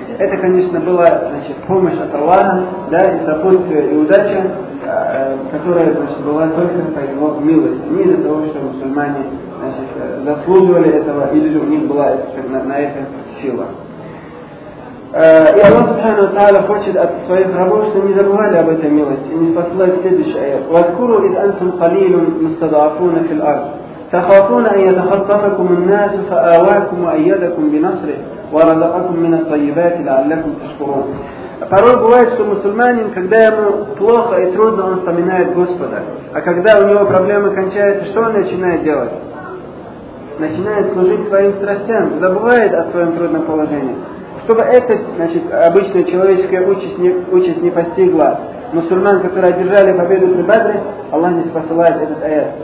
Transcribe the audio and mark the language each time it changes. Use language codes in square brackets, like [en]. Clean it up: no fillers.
[ru] Это, конечно, была, значит, помощь от Аллаха, да, и сопутствие, и удача, которая, значит, была только по его милости, не из-за того, что мусульмане, значит, заслуживали этого, или же у них была на это сила. И Аллах Субхану Та'ала хочет от своих рабов, чтобы не забывали об этой милости, и не спасылает следующий аят. [ar] «Ваткуру ид антум калилун мустадаафуна фил ард». تخافون أن يتخطفكم الناس فآواكم وأيدكم بنصره ورزقكم من الطيبات لعلكم تشكرون. [ru] Порой бывает, что мусульманин, когда ему плохо и трудно, он вспоминает Господа. А когда у него проблемы кончаются, что он начинает делать? Начинает служить своим страстям, забывает о своем трудном положении. Чтобы это, значит, обычная человеческая участь не постигла мусульман, которые одержали победу при Бадре, Аллах не спосылает этот аят.